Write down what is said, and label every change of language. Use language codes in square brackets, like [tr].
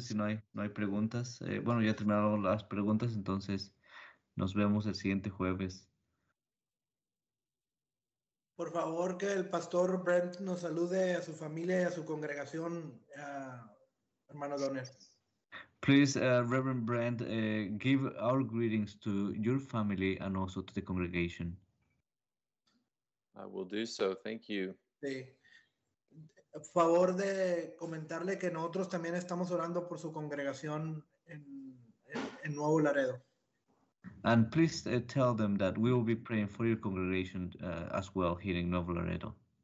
[es] Si no hay preguntas, bueno, ya terminaron las preguntas, entonces nos vemos el siguiente jueves. Por favor, que el pastor Brent nos salude a su familia y a su congregación, hermano Donner. [en] Please, Reverend Brent, give our greetings to your family and also to the congregation. I will do so, thank you. [es] Sí. Favor de comentarle que nosotros también estamos orando por su congregación en Nuevo Laredo. [en] And please tell them that we will be praying for your congregation as well here in Nuevo Laredo.